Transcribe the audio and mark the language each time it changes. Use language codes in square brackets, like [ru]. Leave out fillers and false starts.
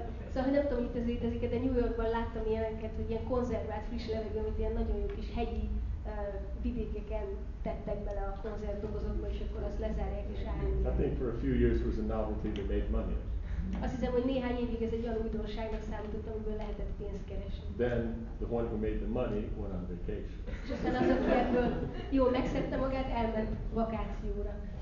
[hu] Szóval, hogy nem tudom, hogy létezik, de New Yorkban láttam ilyeneket, hogy ilyen konzervált friss levegő, amit ilyen nagyon jó kis hegyi vidékeken tettek bele a konzervdobozokba, és akkor azt lezárják és állítják. [en] I think for a few years was a novelty that made money. [hu] Azt hiszem, hogy néhány évig ez egy olyan újdonságnak számított, amiből lehetett pénzt keresni. [en] Then the one who made the money went on vacation. [hu] És aztán az, aki ebből jól megszedte magát, elment vakációra.